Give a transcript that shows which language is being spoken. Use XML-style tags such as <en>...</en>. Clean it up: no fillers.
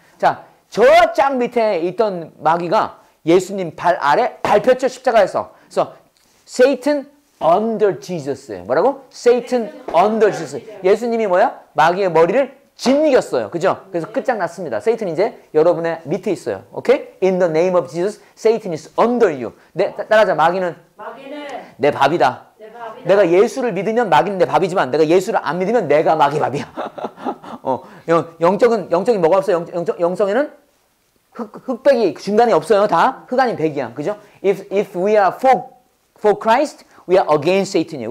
<ko>자, 저짝 밑에 있던 마귀가 예수님 발 아래 밟혔죠, 십자가에서. 그래서</ko> <en>Satan under Jesus</en> <ko>예요. 뭐라고?</ko> <en>Satan under Jesus.</en> <ko>예수님이 뭐야? 마귀의 머리를 짓이겼어요. 그죠? 그래서 끝장났습니다. 세이튼 이제 여러분의 밑에 있어요. 오케이?</ko> <en>In the name of Jesus, Satan is under you.</en> <ko>네, 따라하자. 마귀는 내 밥이다. 내가 예수를 믿으면 마귀는 내 밥이지만 내가 예수를 안 믿으면 내가 마귀 밥이야. 영적인 뭐가 없어요? 영성에는 흑백이 중간에 없어요. 다 흑 아닌 백이야. 그죠?</ko> <en>If we are for Christ, we are against Satan이에요.</en>